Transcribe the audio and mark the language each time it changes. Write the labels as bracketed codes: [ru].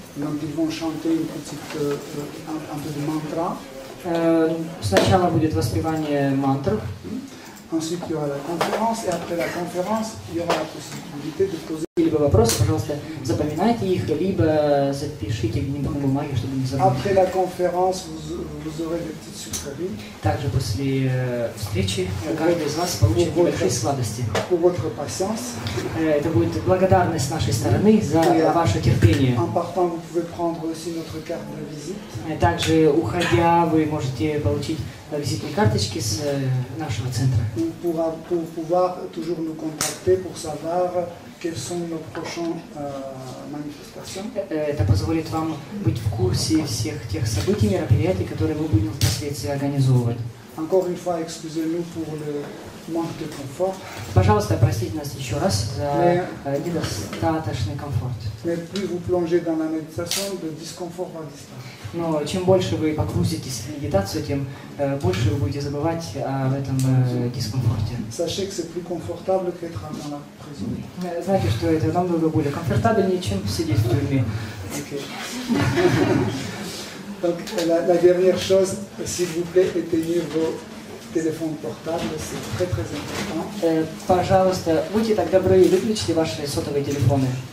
[fr] Donc, ils vont chanter une petite, un peu de mantra. [ru] Сначала будет воспевание мантр. [fr] Ensuite, il y aura la conférence, et après la conférence, il y aura la possibilité de poser... [ru] Либо вопросы, пожалуйста, запоминайте их, либо запишите где-нибудь на бумаге, чтобы не забыть. [fr] Après la conférence, vous aurez des petites sucreries. [ru] Также после встречи, каждый из вас получит небольшие сладости. [fr] Pour votre patience. [ru] Это будет благодарность с нашей стороны за ваше терпение. [fr] En partant, vous pouvez prendre aussi notre carte de visite. [ru] Также, уходя, вы можете получить... визитные карточки с нашего центра. [fr] Pour pouvoir toujours nous contacter pour savoir quelles sont nos prochaines manifestations. [ru] Это позволит вам быть в курсе всех тех событий, мероприятий, которые мы будем впоследствии организовывать. [fr] Encore une fois, excusez-nous pour le manque de confort. [ru] Пожалуйста, простите нас еще раз за недостаточный комфорт. [fr] Mais plus vous plongez dans la méditation, le discomfort va disparaître. [ru] Но чем больше вы погрузитесь в медитацию, тем больше вы будете забывать об этом дискомфорте. [fr] Sachez que c'est plus confortable qu'être dans la prison. [ru] Знаете, что это намного более комфортабельнее, чем сидеть в тюрьме. [fr] Donc la dernière chose, s'il vous plaît, éteignez vos téléphones portables, c'est très très important. [ru] Пожалуйста, будьте так добры и выключите ваши сотовые телефоны.